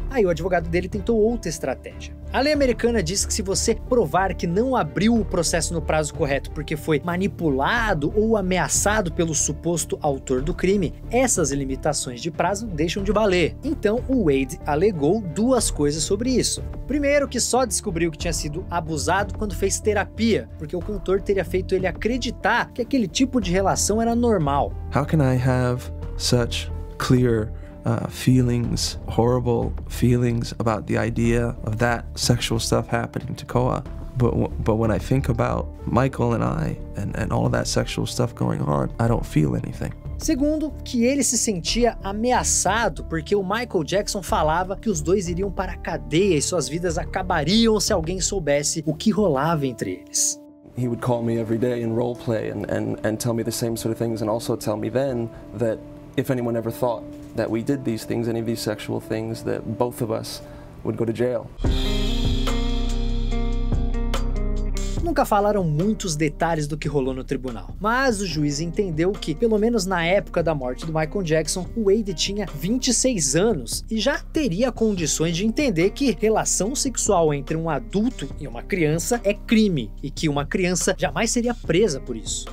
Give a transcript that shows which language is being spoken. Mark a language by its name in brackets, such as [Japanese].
[Portuguese] Aí o advogado dele tentou outra estratégia. A lei americana diz que se você provar que não abriu o processo no prazo correto porque foi manipulado ou ameaçado pelo suposto autor do crime, essas limitações de prazo deixam de valer. Então, o Wade alegou duas coisas sobre isso. Primeiro, que só descobriu que tinha sido abusado quando fez terapia, porque o cantor teria feito ele acreditar que aquele tipo de relação era normal. [English] How can I have such clear feelings, horrible feelings about the idea of that sexual stuff happening to Koa? But when I think about Michael and I and all of that sexual stuff going on, I don't feel anything. [Portuguese] Segundo, que ele se sentia ameaçado porque o Michael Jackson falava que os dois iriam para a cadeia e suas vidas acabariam se alguém soubesse o que rolava entre eles. [English] He would call me every day and role play and tell me the same sort of things and also tell me then that if anyone ever thought that we did these things, any of these sexual things, that both of us would go to jail. [Portuguese] Nunca falaram muitos detalhes do que rolou no tribunal, mas o juiz entendeu que, pelo menos na época da morte do Michael Jackson, o Wade tinha 26 anos e já teria condições de entender que relação sexual entre um adulto e uma criança é crime e que uma criança jamais seria presa por isso.